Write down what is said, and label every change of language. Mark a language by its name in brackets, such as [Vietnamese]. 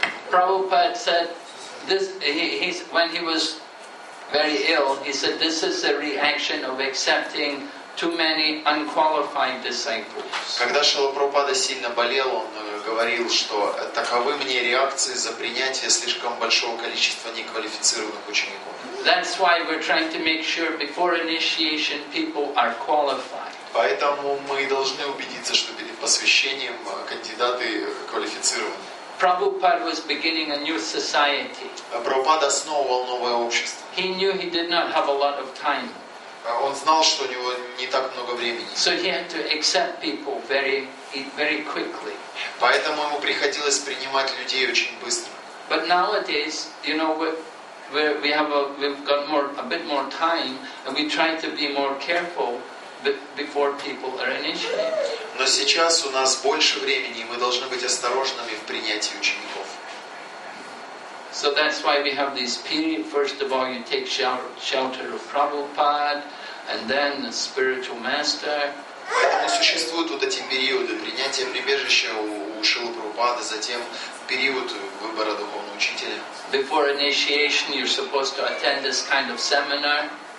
[English] Prabhupada said this, he's when he was very ill, he said this is the reaction of accepting too many unqualified disciples. [Russian] Когда Шрила Прабхупада сильно болел, он говорил, что таковы мне реакции за принятие слишком большого количества неквалифицированных учеников. [English] That's why we're trying to make sure before initiation people are qualified. [Russian] Поэтому мы должны убедиться, что перед посвящением кандидаты квалифицированы. [English] Prabhupada was beginning a new society. [Russian] Прабхупада основывал новое общество. [English] He knew he did not have a lot of time. [Russian] Он знал, что у него не так много времени. [English] So he had to accept people very quickly. [Russian] Поэтому ему приходилось принимать людей очень быстро. [English] But nowadays, you know, we've got a bit more time, and we try to be more careful before people are initiated. [Russian] Но сейчас у нас больше времени, и мы должны быть осторожными в принятии учеников. [English] So that's why we have this period. First of all, you take shelter of Prabhupada, and then the spiritual master. [Russian] Поэтому существуют вот эти периоды принятия прибежища у Шрилы Прабхупады, затем период выбора духовного учителя. [English] Before initiation, you're supposed to attend this kind of seminar.